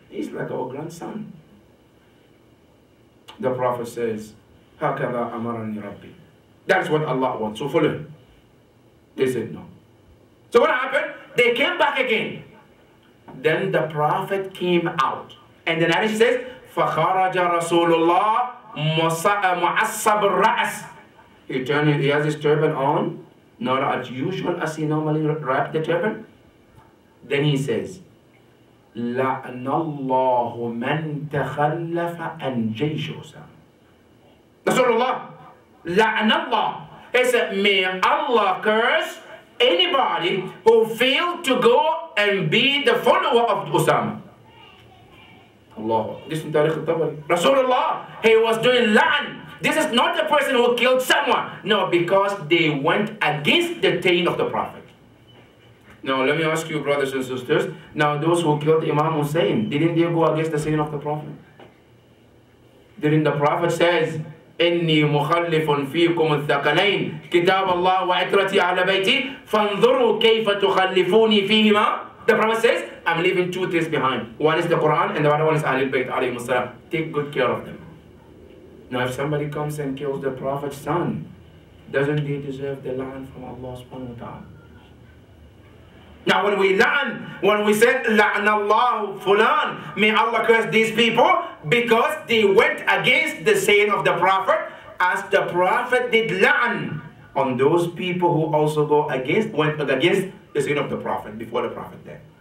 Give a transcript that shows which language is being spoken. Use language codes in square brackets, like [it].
[en] He's like our grandson. The Prophet says, [ar] Hakala amarani Rabbi. [en] That's what Allah wants, so follow him. They said, no. So what happened? They came back again. Then the Prophet came out. And the narration says, [ar] فَخَرَجَ رَسُولُ اللَّهِ مُعَصَّبُ الرَّأَسِ. [en] He turned, he has his turban on. Not as usual as he normally wrap the turban. Then he says, [ar] لَعْنَ اللَّهُ مَنْ تَخَلَّفَ أَنْ جَيْشُ أُسَامَ. Rasulullah, لَعْنَ اللَّهُ. [en] He said, may Allah curse anybody who failed to go and be the follower of Usama. Allah, this is Tariq al-Tabari. Rasulullah, he was doing la'an. This is not the person who killed someone. No, because they went against the teaching of the Prophet. Now, let me ask you, brothers and sisters. Now, those who killed Imam Hussein, didn't they go against the teaching of the Prophet? Didn't the Prophet says, [ar] إِنِّي مُخَلِّفٌ فِيكُمُ الثَّقَلَيْنِ كِتَابَ اللَّهِ وَعِتْرَةِ أَهْلَ بَيْتِي فَانْظُرُوا كَيْفَ تُخَلِّفُونِي فِيهِمَا. [en] The Prophet says, I'm leaving two things behind. One is the Quran and the other one is Ahlul Bayt alayhi wasalam. Take good care of them. Now if somebody comes and kills the Prophet's son, doesn't he deserve the la'an from Allah subhanahu wa ta'ala? Now when we la'an, when we said la'an Allah fulan, may Allah curse these people because they went against the saying of the Prophet as the Prophet did la'an on those people who also go against, went against the saying of the Prophet before the Prophet died.